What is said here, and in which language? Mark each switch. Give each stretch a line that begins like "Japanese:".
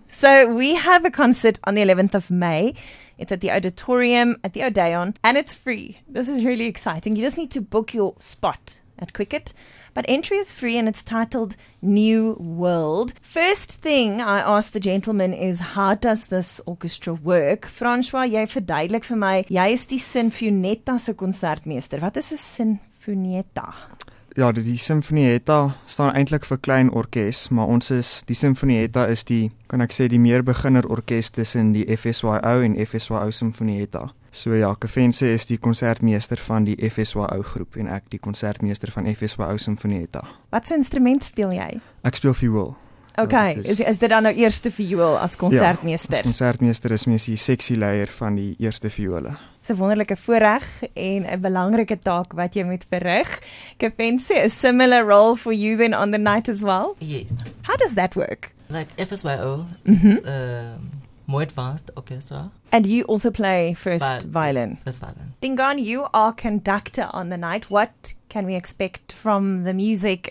English: So we have a concert on the 11th of May. It's at the Auditorium at the Odeon, and it's free. This is really exciting. You just need to book your spot at Cricket. But entry is free and it's titled New World. First thing I ask the gentleman is, how does this orchestra work?
Afrikaans: François, jy verduidelik vir my, jy is die Sinfonietta se konsertmeester. Wat is 'n Sinfonietta? Ja, die Sinfonietta staan eintlik vir klein orkes, maar ons is, die Sinfonietta is die, kan ek sê, die meer beginner orkes tussen die FSYO en FSYO Sinfonietta. So ja, Kefense is die konsertmeester van die FSYO groep en ek die konsertmeester van FSYO Sinfonietta. Wat se instrument speel jy? Ek speel viool. Okay, is dit dan nou eerste viool as konsertmeester? Ja, as konsertmeester is mens die sexy leier van die eerste viole. Dis 'n wonderlike voorreg en 'n belangrike taak wat jy moet verrig.
English: Kefense, a similar role for you then on the night as well? Yes. How does that work? Like FSYO, more advanced orchestra. And you also play first violin. First violin. Dingaan, you are conductor on the night. What can we expect from the music?